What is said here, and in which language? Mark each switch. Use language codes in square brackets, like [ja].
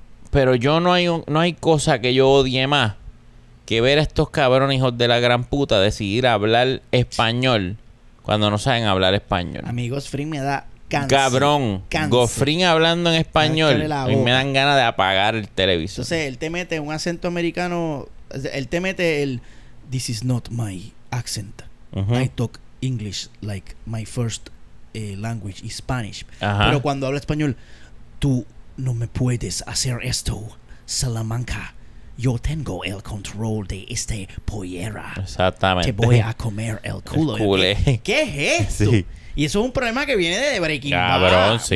[es] Pero yo no hay cosa que yo odie más que ver a estos cabrones hijos de la gran puta decidir hablar español cuando no saben hablar español. Amigos, Fring me da cáncer. Cabrón, Gofrín hablando en español y me dan ganas de apagar el televisor. Entonces, él te mete un acento americano. Él te mete el [en] "This is not my accent. I talk English like my first language is Spanish." [es] Ajá. Pero cuando habla español, "Tú no me puedes hacer esto, Salamanca. Yo tengo el control de este pollera. Exactamente. Te voy a comer el culo." El ¿Qué es esto? Sí. Y eso es un problema que viene de Breaking Bad. Cabrón, sí.